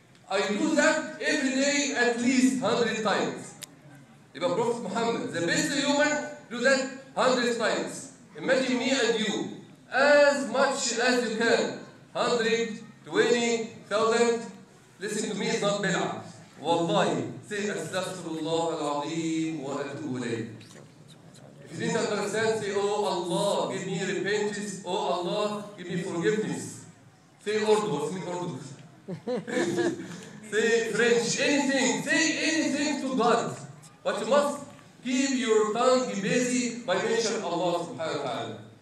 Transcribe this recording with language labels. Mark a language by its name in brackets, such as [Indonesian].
[English] I do that every day at least 100 times. [Arabic] يبقى بروفس محمد, [English] the best human, do that 100 times. Imagine me and you, as much as you can, 100, 20, 1000, listen to me, it's not bid'ah. [Arabic] والله, say, أستغفر الله العظيم وأتوب إليه. [English] If you didn't understand, say, oh Allah, give me repentance. Oh Allah, give me forgiveness. Say Urdu, say Urdu. Say French, anything. Say anything to God. But you must keep your tongue busy by mentioning Allah subhanahu wa ta'ala.